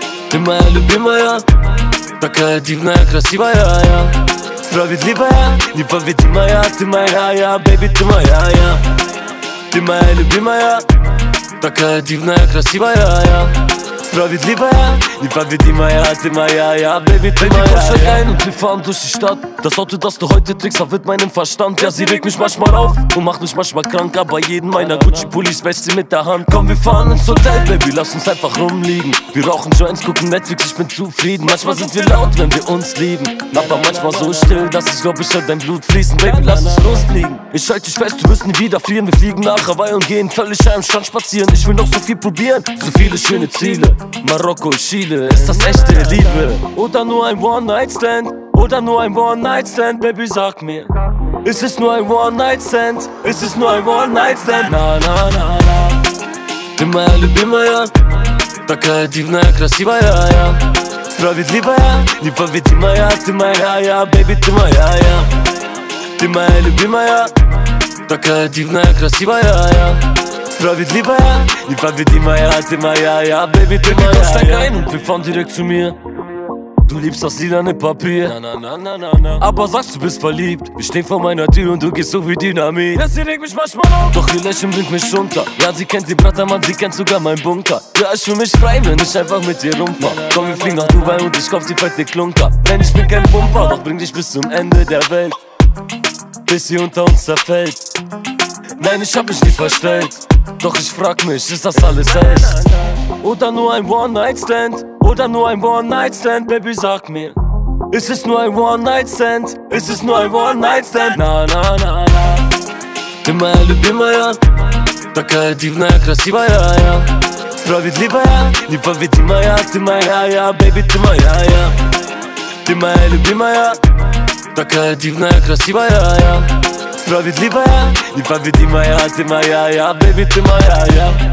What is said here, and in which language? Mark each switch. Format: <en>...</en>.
<ru>Ты моя любимая, такая дивная, красивая я. Справедливая, непобедимая, ты моя я, baby, ты моя я. Ты моя любимая, такая дивная, красивая я. Справедливая, непобедимая, ты моя я, baby, ты моя я.</ru> <de>Porsche rein und wir fahren durch die Stadt. Das Auto, das du heute trägst, verwirrt meinen Verstand. Ja, sie regt mich manchmal auf und macht mich manchmal krank. Aber jeden meiner Gucci-Pullis wäscht sie mit der Hand. Komm, wir fahren ins Hotel, baby, lass uns einfach rumliegen. Wir rauchen Joints, gucken Netflix, ich bin zufrieden. Manchmal sind wir laut, wenn wir uns lieben. Aber manchmal so still, dass ich glaub, ich hör dein Blut fließen. Baby, lass uns losfliegen. Ich halte dich fest, du wirst nie wieder fliehen. Wir fliegen nach Hawaii und gehen völlig am Strand spazieren. Ich will noch so viel probieren, so viele schöne Ziele. Marokko, Chile, ist das echte Liebe? Oder nur ein One-Night-Stand? Oder nur ein One-Night-Stand? Baby, sag mir, ist es nur ein One-Night-Stand? Ist es nur ein One-Night-Stand? Na, na, na, na.</de> <ru>Ты моя любимая, такая дивная, красивая я. Справедливая, непобедимая, ты моя я, baby, ты моя я. Ты моя любимая, такая дивная, красивая я. Справедливая, непобедимая, ты моя, я, baby, ты моя.</ru> <de>Baby, steig rein und wir fahren direkt zu mir. Du liebst das lilane Papier. Na, na, na, na, na, na. Aber sagst, du bist verliebt. Wir stehen vor meiner Tür und du gehst so wie Dynamit. Ja, sie regt mich manchmal auf. Doch ihr Lächeln bringt mich runter. Ja, sie kennt den Brattermann, sie kennt sogar meinen Bunker. Ja, ich fühl mich frei, wenn ich einfach mit dir rumfahr. Komm, wir fliegen nach Dubai und ich kauf die fette Klunker. Denn ich bin kein Pumper, doch bring dich bis zum Ende der Welt. Bis sie unter uns zerfällt. Nein, ich hab mich nicht verstellt. Doch ich frag mich, ist das alles echt? Oder nur ein One-Night-Stand? Oder nur ein One-Night-Stand? Baby, sag mir, ist es nur ein One-Night-Stand? Ist es nur ein One-Night-Stand? Na, na, na, na.</de> <ru>Ты моя любимая, такая дивная, красивая я. Справедливая, непобедимая, ты моя я, baby, ты моя я. Ты моя любимая, такая дивная, красивая я. Справедливая, непобедимая, ты моя я, baby, ты моя я.</ru>